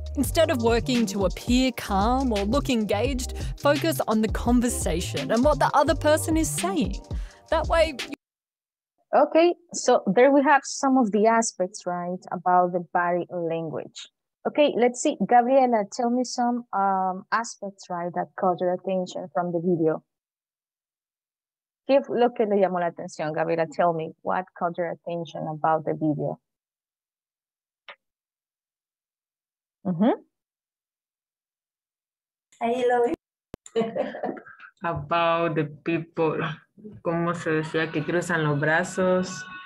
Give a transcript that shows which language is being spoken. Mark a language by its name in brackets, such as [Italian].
[English] Instead of working to appear calm or look engaged, focus on the conversation and what the other person is saying. That way... Okay, so there we have some of the aspects, right, about the body language. Okay, let's see. Gabriela, tell me some aspects, right, that caught your attention from the video. Give [Spanish] lo que le llamó la atención, Gabriela. [English] Tell me what caught your attention about the video. Mm-hmm. I love it. About the people, [Spanish] como se decía, que cruzan los brazos.